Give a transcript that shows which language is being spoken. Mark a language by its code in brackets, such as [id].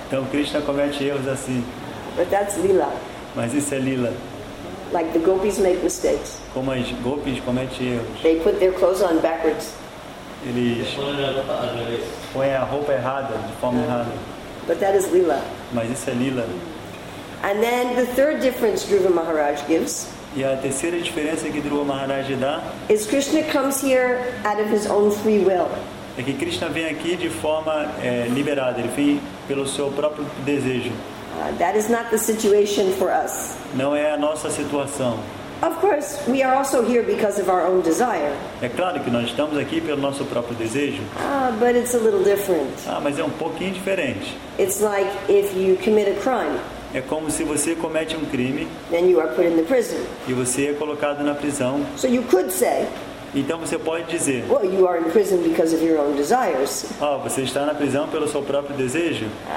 [pt] Então Krishna comete erros assim. [en] But that's lila. [pt] Mas isso é lila. [en] Like the gopis make mistakes. [pt] Como as gopis cometem erros. [en] They put their clothes on backwards. [pt] Eles põem a roupa errada, de forma errada. [en] But that is lila. [pt] Mas isso é lila. [en] And then the third difference Dhruva Maharaj gives. [pt] E a terceira diferença que Dhruva Maharaj dá. [en] Is Krishna comes here out of his own free will. [pt] É que Krishna vem aqui de forma liberada. Ele vem pelo seu próprio desejo. [en] That is not the situation for us. [pt] Não é a nossa situação. [en] Of course, we are also here because of our own desire. [pt] É claro que nós estamos aqui pelo nosso próprio desejo. [en] Ah, but it's a little different. [pt] Ah, mas é um pouquinho diferente. [en] It's like if you commit a crime. [pt] É como se você comete um crime. [en] Then you are put in the prison. [pt] E você é colocado na prisão. [en] So you could say. [pt] Então você pode dizer. [en] Well, you are in prison because of your own desires. [pt] Oh, você está na prisão pelo seu próprio desejo.